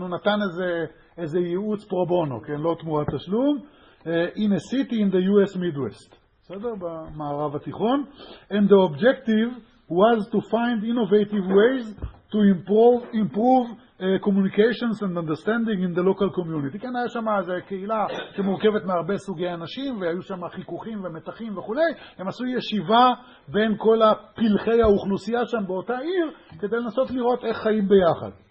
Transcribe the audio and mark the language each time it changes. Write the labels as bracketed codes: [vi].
[he] הוא נתן איזה ייעוץ פרו בונו, כן? לא תמורת השלום. [en] In a city in the US Midwest. [he] בסדר? במערב התיכון. [en] And the objective was to find innovative ways to improve communications and understanding in the local community. [he] כן, היה שם איזו קהילה שמורכבת מהרבה סוגי אנשים, והיו שם חיכוכים ומתחים וכו'. הם עשו ישיבה בין כל הפלחי האוכלוסייה שם באותה עיר, כדי לנסות לראות איך חיים ביחד.